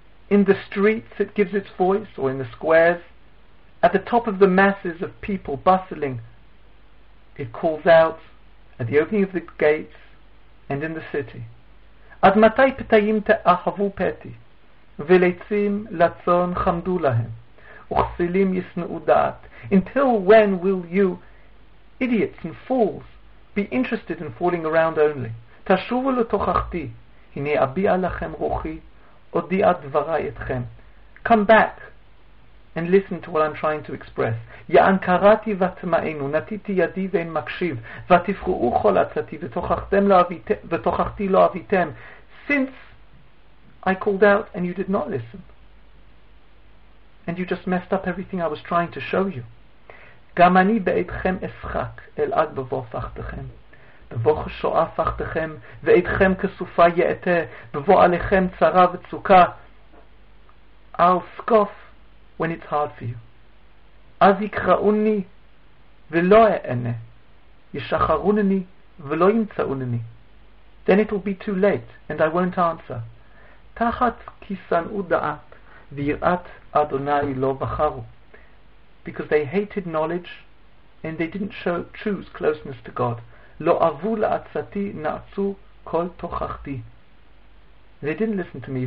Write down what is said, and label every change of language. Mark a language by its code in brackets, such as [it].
[en] In the streets it gives its voice, or in the squares. At the top of the masses of people bustling, it calls out at the opening of the gates and in the city. [he] עד מתי פתאים תאהבו פתי, ולצים לצון חמדו להם, וכסילים ישנאו דעת? [en] Until when will you, idiots and fools, be interested in falling around only? [he] תשובו לתוכחתי, הנה אביע לכם רוחי, אודיע דברי אתכם. [en] Come back and listen to what I'm trying to express. [he] יען קראתי ותמאנו, נתיתי ידי ואין מקשיב, ותפרעו כל עצתי, ותוכחתי לא אביתם. [en] Since I called out and you did not listen, and you just messed up everything I was trying to show you. [he] גם אני בעתכם אשחק אל עד בבוא הפכתכם, בבוא השואה הפכתכם, ועתכם כסופה יעתה, בבוא עליכם צרה וצוקה. [en] I'll scoff when it's hard for you. [he] אז יקראוני ולא אענה, ישחרונני ולא ימצאונני. [en] Then it will be too late, and I won't answer. [he] Tachat kisanu da'at v'yirat Adonai lo v'charu. [en] Because they hated knowledge, and they didn't choose closeness to God. [he] Lo avu la'atzati na'atzu kol tochachti. [en] They didn't listen to me.